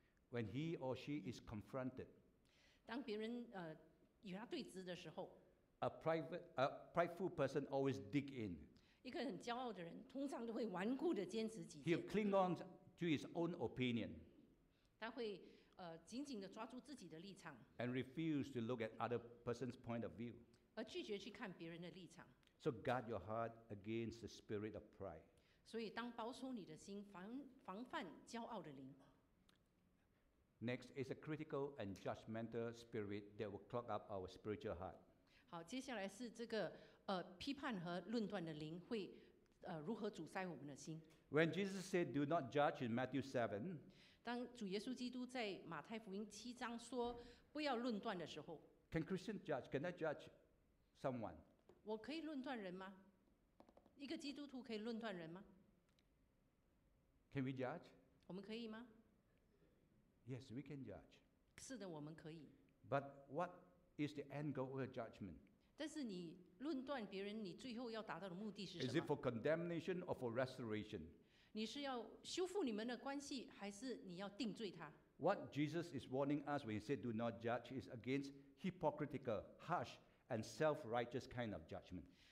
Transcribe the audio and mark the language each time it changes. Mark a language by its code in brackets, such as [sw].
[en] When he or she is confronted, [zh] 当别人与他对质的时候 [en] ，a prideful person always dig in. [zh] 一个很骄傲的人通常都会顽固的坚持己见。 [en] He'll cling on to his own opinion. [zh] 他会紧紧的抓住自己的立场。 [en] And refuse to look at other person's point of view. [zh] 而拒绝去看别人的立场。 [en] So guard your heart against the spirit of pride. [zh] 所以当保守你的心 防范骄傲的灵。 [en] Next is a critical and judgmental spirit that will clog up our spiritual heart. [zh] 好，接下来是这个批判和论断的灵会如何阻塞我们的心。 [en] When Jesus said, "Do not judge," in Matthew 7, [zh] 当主耶稣基督在马太福音七章说不要论断的时候 [en] ，Can Christians judge? Can I judge someone? [zh] 我可以论断人吗？一个基督徒可以论断人吗 [en] ？Can we judge？ [zh] 我们可以吗 [en] ？Yes, we can judge. [zh] 是的，我们可以。 [en] But what is the end goal of judgment？ [zh] 但是你论断别人，你最后要达到的目的是什么 [en] ？Is it for condemnation or for restoration？ [zh] 你是要修复你们的关系，还是你要定罪他 [en] ？What Jesus is warning us when he said, "Do not judge," is against hypocritical, harsh, and self-righteous kind of judgment.